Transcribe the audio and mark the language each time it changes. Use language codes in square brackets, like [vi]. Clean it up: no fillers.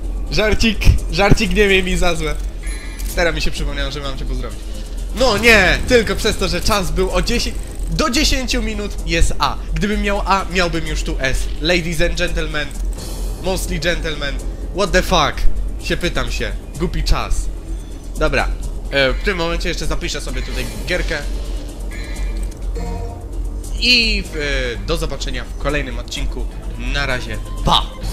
[pl] Żarcik, żarcik, nie miej mi za złe. Teraz mi się przypomniało, że mam cię pozdrowić. No nie, tylko przez to, że czas był o 10. Do 10 minut jest A. Gdybym miał A, miałbym już tu S. [en] Ladies and gentlemen, mostly gentlemen, what the fuck? [pl] Się pytam się, głupi czas. Dobra, w tym momencie jeszcze zapiszę sobie tutaj gierkę. I do zobaczenia w kolejnym odcinku. Na razie, pa!